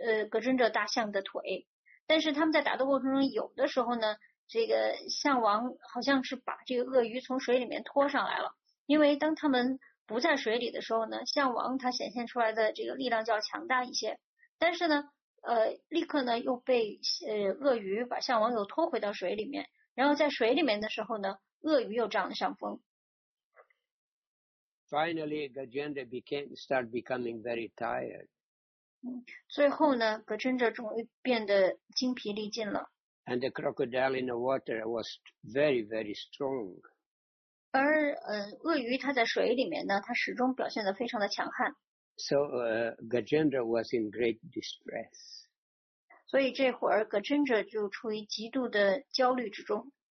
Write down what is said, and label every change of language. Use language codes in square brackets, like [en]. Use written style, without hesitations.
[zh] 格真者大象的腿，但是他们在打斗过程中，有的时候呢，这个象王好像是把这个鳄鱼从水里面拖上来了，因为当他们不在水里的时候呢，象王他显现出来的这个力量较强大一些，但是呢，立刻呢又被鳄鱼把象王又拖回到水里面，然后在水里面的时候呢，鳄鱼又占了上风。 [en] Finally, Gajendra started becoming very tired. [zh] 最后呢，格真者终于变得精疲力尽了。 [en] And the crocodile in the water was very, very strong. [zh] 而鳄鱼它在水里面呢，它始终表现得非常的强悍。 [en] So Gajendra was in great distress. [zh] 所以这会儿格真者就处于极度的焦虑之中。